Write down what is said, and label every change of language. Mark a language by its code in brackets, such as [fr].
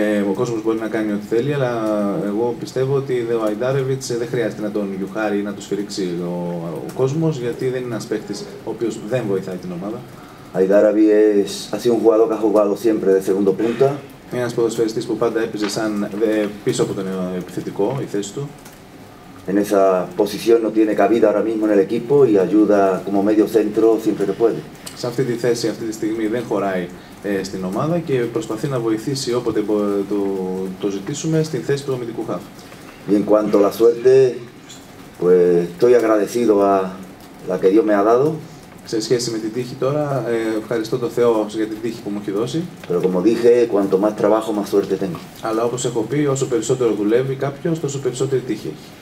[el] Ο κόσμος μπορεί να κάνει ό,τι θέλει, αλλά εγώ πιστεύω ότι ο Αϊντάρεβιτς δεν χρειάζεται να τον γιουχάρει ή να του σφυρίξει ο κόσμος, γιατί δεν είναι ένας παίκτης ο οποίος δεν βοηθάει την ομάδα. [es] Αϊντάρεβι ha sido un jugador que ha jugado siempre de segundo punta. [el] Ένας ποδοσφαιριστής που πάντα έπαιζε σαν πίσω από τον επιθετικό, η θέση του. [es] En esa posición no tiene cabida ahora mismo en el equipo y ayuda como medio centro siempre que puede. [el] Σε αυτή τη θέση αυτή τη στιγμή δεν χωράει στην ομάδα και προσπαθεί να βοηθήσει όποτε το ζητήσουμε στην θέση του αμυντικού χαφ. [es] En cuanto a la suerte, pues estoy agradecido a la que Dios me ha dado. [el] Σε σχέση με την τύχη τώρα, ευχαριστώ τον Θεό για την τύχη που μου έχει δώσει. [es] Pero como dije, cuanto más trabajo, más suerte tengo. [el] Αλλά όπως έχω πει, όσο περισσότερο δουλεύει κάποιος, τόσο περισσότερη τύχη έχει.